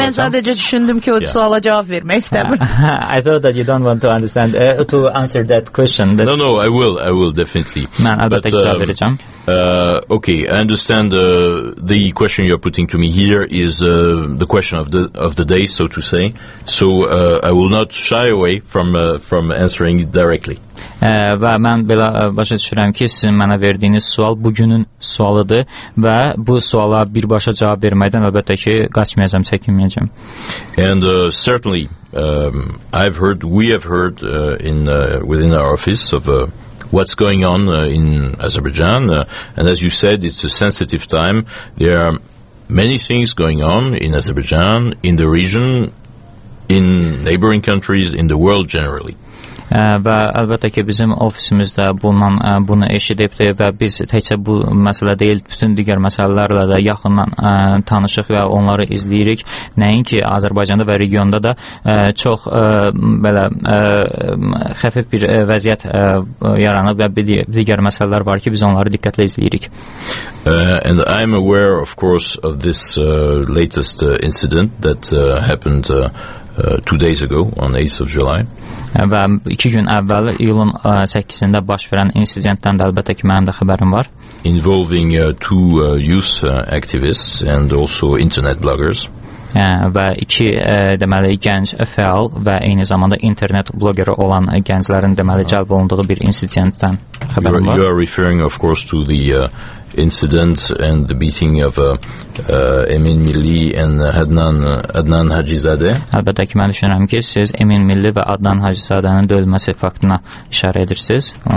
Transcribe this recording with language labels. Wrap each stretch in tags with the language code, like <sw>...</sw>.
<az>Mən sadəcə düşündüm ki, o suala cavab vermək istəmir.</az> <en>I thought that you don't want to understand to answer that question. That no, I will definitely.</en> <az>Mən əlbəttə ki, cavab verəcəm.</az> <en>Okay, I understand the question you're putting to me here is the question of the day, so to say. So I will not shy away from answering it directly.</en> <az>Və mən belə başa düşürəm ki, sizin mənə verdiyiniz sual bugünün sualıdır və bu suala birbaşa cavab verməkdən əlbəttə ki, qaçmayacağım, çəkinməyəcəm.</az> <en>And certainly we have heard within our office of what's going on in Azerbaijan, and as you said, it's a sensitive time. There are many things going on in Azerbaijan, in the region, in neighboring countries, in the world generally.</en> <az>Və əlbəttə ki, bizim ofisimizdə bundan bunu eşidibdir və biz təkcə bu məsələ deyil, bütün digər məsələlərlə də yaxından tanışıq və onları izləyirik. Nəinki Azərbaycanda və regionda da çox belə xəfif bir vəziyyət yaranıb və digər məsələlər var ki, biz onları diqqətlə izləyirik.</az> <en>And I am aware, of course, of this latest incident that happened 2 days ago, on the 8th of July.</en> <az>Və 2 gün əvvəl, iyulun 8-də baş verən incidentdən də əlbəttə ki, mənim də xəbərim var.</az> <en>Involving two youth activists and also internet bloggers.</en> <az>Və iki, deməli, gənc fəal və eyni zamanda internet bloggeri olan gənclərin, deməli, cəlb olunduğu bir incidentdən xəbərim var.</az> <en>You are referring, of course, to the incident and the beating of Emin Milli and Adnan Hacizadeh.</en> <az>Əlbəttə ki, mən düşünürəm ki, siz Emin Milli və Adnan Hacizadənin döyülməsi faktına işarə edirsiniz.</az>